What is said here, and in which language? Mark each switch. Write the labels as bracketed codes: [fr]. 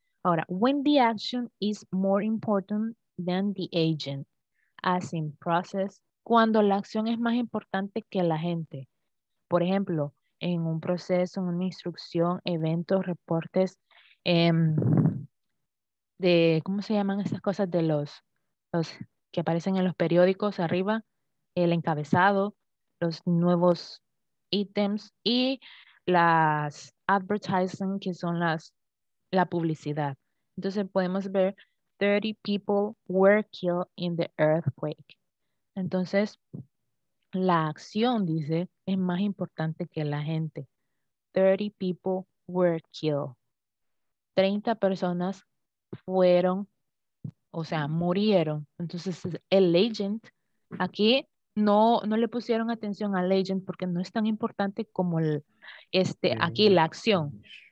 [en] Ahora, when the action is more important than the agent. As in process. [es] Cuando la acción es más importante que la gente. Por ejemplo, en un proceso, en una instrucción, eventos, reportes, de, ¿cómo se llaman esas cosas? De los que aparecen en los periódicos arriba, el encabezado, los nuevos ítems y las advertising, que son la publicidad. Entonces podemos ver [en] 30 people were killed in the earthquake. [es] Entonces, la acción, dice, es más importante que la gente. [en] 30 people were killed. [es] 30 personas fueron, o sea, murieron. Entonces, el agent, aquí no le pusieron atención al agent porque no es tan importante como aquí la acción.